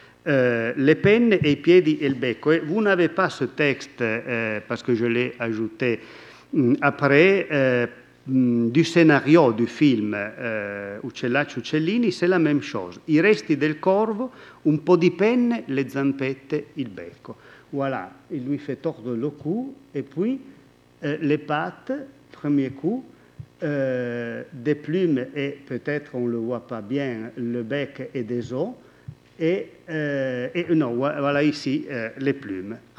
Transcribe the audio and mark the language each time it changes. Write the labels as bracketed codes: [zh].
[fr] Les pennes et [it] i piedi e il becco. [fr] Et vous n'avez pas ce texte, parce que je l'ai ajouté après, du scénario du film Uccellacci Uccellini, c'est la même chose. [it] I resti del corvo, un po' di penne, le zampette, il becco. [fr] Voilà, il lui fait tordre le cou, et puis les pattes, premier coup, des plumes, et peut-être on ne le voit pas bien, le bec et des os, et non, voilà ici, les plumes.